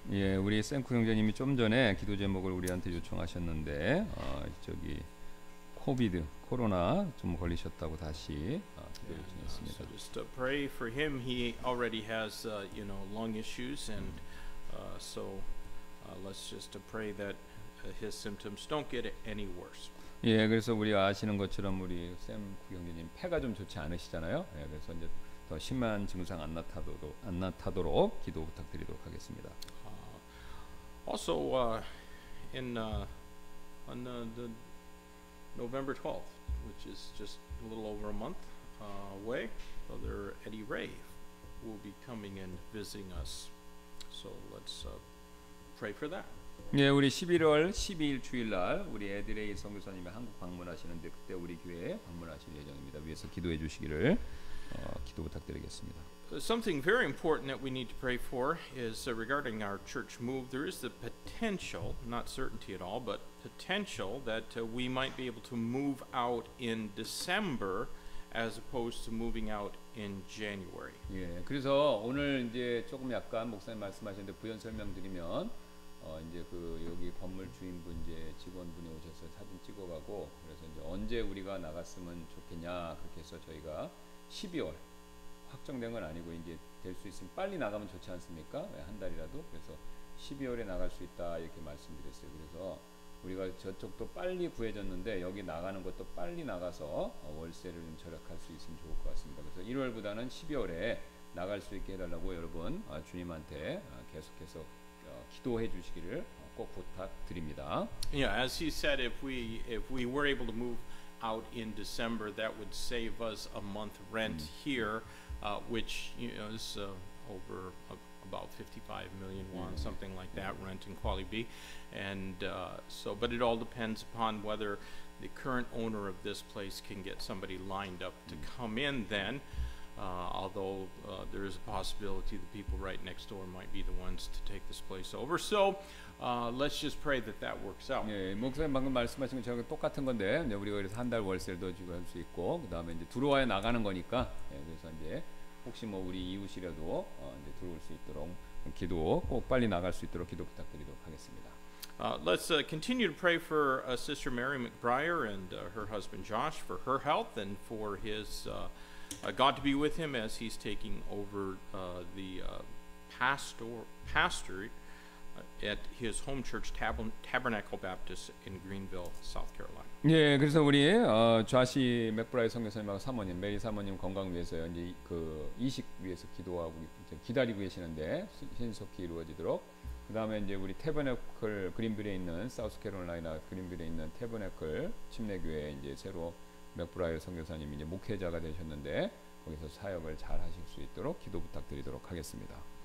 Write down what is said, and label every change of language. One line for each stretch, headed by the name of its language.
Korean: 예, 우리 샘쿡 형제님이 좀 전에 기도 제목을 우리한테 요청하셨는데 저기 코비드 코로나 좀 걸리셨다고 다시 기도 요청했습니다.
English: So just pray for him. He already has, you know, lung issues and so. Let's just pray that his symptoms don't get any worse.
Korean: 예, 그래서 우리 아시는 것처럼 우리 샘 구경진님 폐가 좀 좋지 않으시잖아요. 예, 그래서 이제 더 심한 증상 안 나타도록 기도 부탁드리도록 하겠습니다.
English: Also, on the November 12th, which is just a little over a month away, Brother Eddie Ray will be coming and visiting us. So let's. Pray for that.
Korean: 예, 우리 11월 12일 주일날 우리 에드레이 선교사님이 한국 방문하시는데 그때 우리 교회에 방문하실 예정입니다. 위에서 기도해 주시기를 기도 부탁드리겠습니다.
English: Something very important that we need to pray for is regarding our church move. There is the potential, not certainty at all, but potential that we might be able to move out in December as opposed to moving out in January.
Korean: 예, 그래서 오늘 이제 조금 약간 목사님 말씀하시는데 부연 설명드리면 이제 그 여기 건물 주인분 이제 직원분이 오셔서 사진 찍어가고 그래서 이제 언제 우리가 나갔으면 좋겠냐 그렇게 해서 저희가 12월 확정된 건 아니고 이제 될 수 있으면 빨리 나가면 좋지 않습니까? 한 달이라도 그래서 12월에 나갈 수 있다 이렇게 말씀드렸어요. 그래서 우리가 저쪽도 빨리 구해졌는데 여기 나가는 것도 빨리 나가서 월세를 좀 절약할 수 있으면 좋을 것 같습니다. 그래서 1월보다는 12월에 나갈 수 있게 해달라고 여러분 주님한테 계속해서 기도해 주시기를 꼭 부탁드립니다.
English: Yeah, as he said, if we were able to move out in December, that would save us a month rent here, which you know, is over about 55 million won, something like that, rent in Kuala Lumpur. And so, but it all depends upon whether the current owner of this place can get somebody lined up to come in then. Although there is a possibility the people right next door might be the ones to take this place over. So let's just pray that that works out.
Korean: 예, 목사님 방금 말씀하신 것처럼 똑같은 건데 이제 우리가 그래서 한 달 월세를 더 주고 할 수 있고 그 다음에 이제 들어와야 나가는 거니까 예, 그래서 이제 혹시 뭐 우리 이웃이라도 이제 들어올 수 있도록 기도 꼭 빨리 나갈 수 있도록 기도 부탁드리도록 하겠습니다.
English: Let's continue to pray for Sister Mary McBriar and her husband Josh for her health and for his God to be with him as he's taking over the pastor at his home church Tabernacle Baptist in Greenville, South Carolina.
Korean: 예, 그래서 우리 좌시 맥브라이 선교사님하고 사모님, 메리 사모님 건강 위해서요. 이제 그 이식 위해서 기도하고 기다리고 계시는데 신속히 이루어지도록. 그다음에 이제 우리 태버네클 그린빌에 있는 사우스 캐롤라이나 그린빌에 있는 태버네클 침례교회 이제 새로 맥브라이 선교사님이 이제 목회자가 되셨는데 거기서 사역을 잘 하실 수 있도록 기도 부탁드리도록 하겠습니다.